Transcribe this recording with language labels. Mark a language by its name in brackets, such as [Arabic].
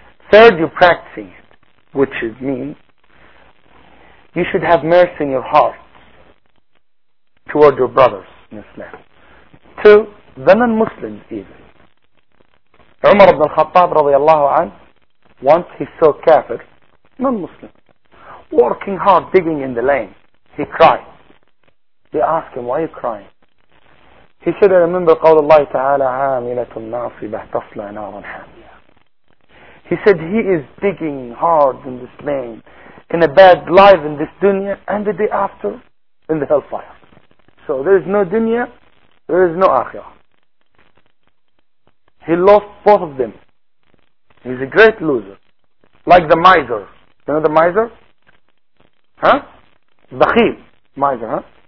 [English] Third, you practicing it, which is mean. You should have mercy in your heart toward your brothers in Islam. Two, the non-Muslims even. Umar ibn al-Khattab radiallahu anhu, once he saw kafir, non-Muslim, working hard, digging in the lane, he cried. They asked him, why are you crying? He said, I remember [Arabic] قول الله تعالى عاملة ناصبة تصلى نارا حامية. [English] He said, he is digging hard in this lane, in a bad life in this dunya, and the day after, in the hellfire. So there is no dunya, there is no akhirah. He lost both of them. He's a great loser. Like the miser. You know the miser? Huh? Bakhil. Miser, huh?